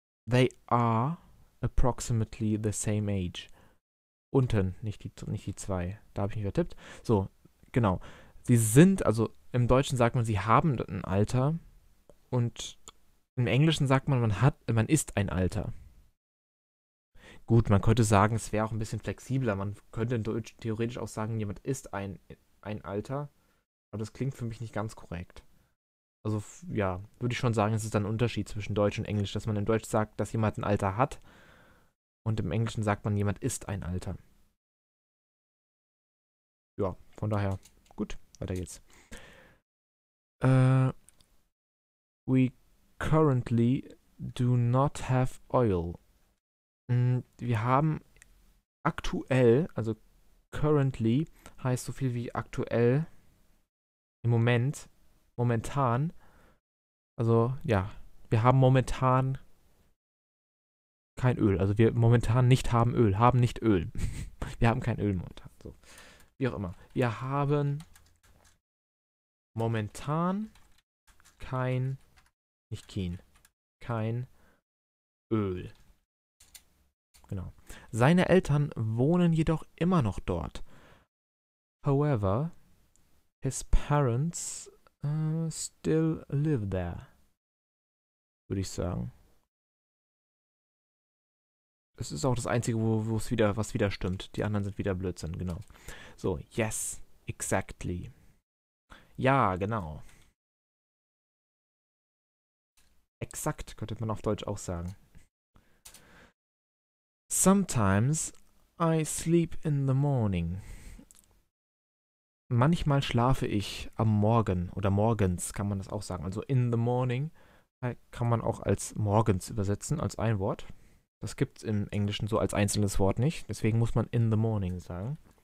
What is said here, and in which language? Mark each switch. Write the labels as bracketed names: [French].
[English] They are approximately the same age. [German] Unten, nicht die zwei. Da habe ich mich vertippt. So, genau. Sie sind, also im Deutschen sagt man, sie haben ein Alter. Und im Englischen sagt man, man ist ein Alter. Gut, man könnte sagen, es wäre auch ein bisschen flexibler. Man könnte in Deutsch theoretisch auch sagen, jemand ist ein Alter. Aber das klingt für mich nicht ganz korrekt. Also, ja, würde ich schon sagen, es ist ein Unterschied zwischen Deutsch und Englisch, dass man in Deutsch sagt, dass jemand ein Alter hat. Und im Englischen sagt man, jemand ist ein Alter. Ja, von daher, gut, weiter geht's. [English] We currently do not have oil. [German] Wir haben aktuell, also currently heißt so viel wie aktuell, im Moment, momentan, also ja, wir haben momentan kein Öl, also wir momentan nicht haben Öl, haben nicht Öl. Wir haben kein Öl momentan, so. wie auch immer. Wir haben momentan kein, nicht Kien, kein Öl. Genau. Seine Eltern wohnen jedoch immer noch dort. [English] However, his parents still live there. [German] Würde ich sagen. Es ist auch das Einzige, wo es wieder, was wieder stimmt. Die anderen sind wieder Blödsinn, genau. [English] So, yes, exactly. [German] Ja, genau. Exakt, könnte man auf Deutsch auch sagen. [English] Sometimes I sleep in the morning. [German] Manchmal schlafe ich am Morgen oder morgens, kann man das auch sagen. Also [English] in the morning [German] kann man auch als morgens übersetzen, als ein Wort. Das gibt es im Englischen so als einzelnes Wort nicht. Deswegen muss man [English] in the morning [German] sagen.